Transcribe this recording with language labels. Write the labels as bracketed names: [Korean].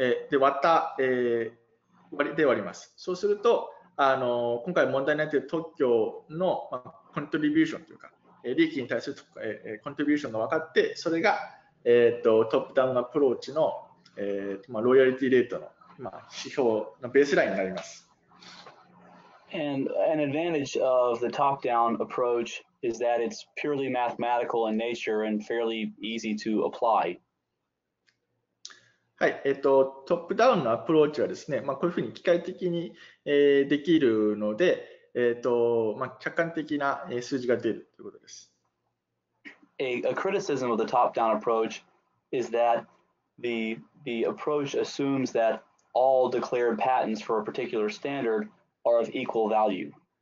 [Japanese] で、割った、で割ります。そうすると、今回問題になっている特許のコントリビューションというか、利益に対するコントリビューションが分かって、それが、トップダウンアプローチの、ロイヤリティレートの、指標のベースラインになります。 [English] And an advantage of the top-down approach is that it's purely mathematical in nature and fairly easy to apply. [Japanese] はい、トップダウンのアプローチはですね、まあ、こういうふうに機械的に、できるので、客観的な数字が出るということです。 [English] A criticism of the top-down approach is that the approach assumes that all declared patents for a particular standard are of equal value.